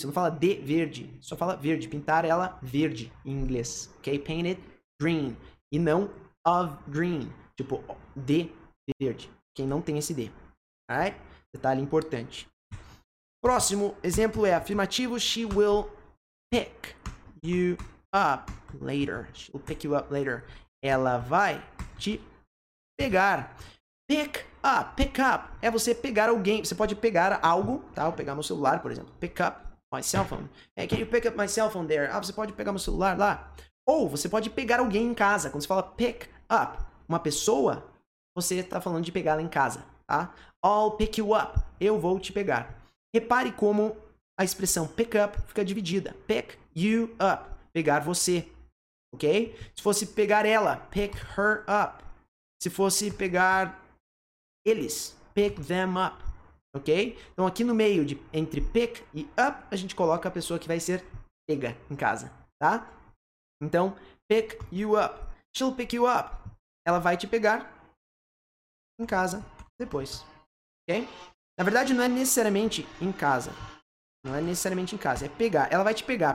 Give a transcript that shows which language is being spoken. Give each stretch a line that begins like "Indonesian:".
Portuguese: Você não fala de verde, só fala verde. Pintar ela verde, em inglês. Okay?
English: Paint it green,
Portuguese: e não
English: of green.
Portuguese: Tipo, de verde. Quem não tem esse D. Alright? Detalhe importante. Próximo exemplo é afirmativo.
English: She will pick you up later. She will pick you up later.
Portuguese: Ela vai te pegar.
English: Pick up. Pick up
Portuguese: é você pegar alguém. Você pode pegar algo, tá? Vou pegar meu celular, por exemplo.
English: Pick up my cell phone. Hey, can you pick up my cell phone there?
Portuguese: Ah, você pode pegar meu celular lá. Ou você pode pegar alguém em casa. Quando você fala
English: pick up,
Portuguese: uma pessoa, você está falando de pegá-la em casa, tá?
English: I'll pick you up.
Portuguese: Eu vou te pegar. Repare como a expressão pick up fica dividida.
English: Pick you up.
Portuguese: Pegar você.
English: Ok?
Portuguese: Se fosse pegar ela,
English: pick her up.
Portuguese: Se fosse pegar eles,
English: pick them up. Ok?
Portuguese: Então, aqui no meio, entre pick e up, a gente coloca a pessoa que vai ser pega em casa, tá? Então,
English: pick you up. She'll pick you up.
Portuguese: Ela vai te pegar em casa, depois. Ok? Na verdade, não é necessariamente em casa. Não é necessariamente em casa. É pegar. Ela vai te pegar.